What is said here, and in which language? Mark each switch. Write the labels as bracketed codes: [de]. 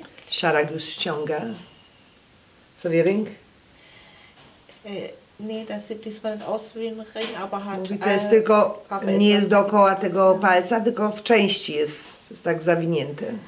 [pl] Szarak już ściąga sobie ring. [de] Nee, das sieht diesmal nicht aus wie ein Ring, aber hat. [pl] Mówi, to jest tylko, nie jest dookoła tego palca, tylko w części jest tak zawinięty.